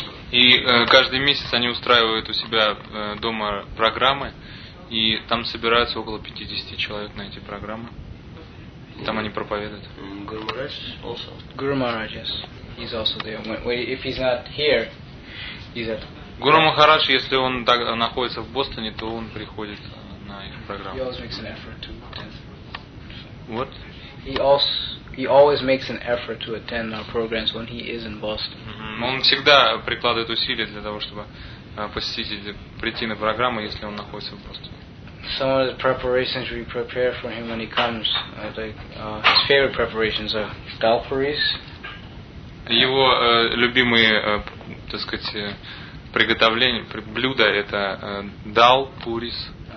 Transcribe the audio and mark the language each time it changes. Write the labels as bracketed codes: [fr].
[ru] И каждый месяц они устраивают у себя дома программы, и там собираются около 50 человек на эти программы. Там они проповедуют. [en] Guru Maharaj also. Guru Maharaj, yes, he's also there. Well, if he's not here, he's at. [ru] Гуру Махарадж, если он так находится в Бостоне, то он приходит на их программу. [en] He always makes an effort to attend. What? He always makes an effort to attend our programs when he is in Boston. [ru] Он всегда прикладывает усилия для того, чтобы посетить или прийти на программу, если он находится в Бостоне. [en] Some of the preparations we prepare for him when he comes, his favorite preparations are galpuris. [ru] Его любимые, так сказать, приготовление блюда это дал, пурис,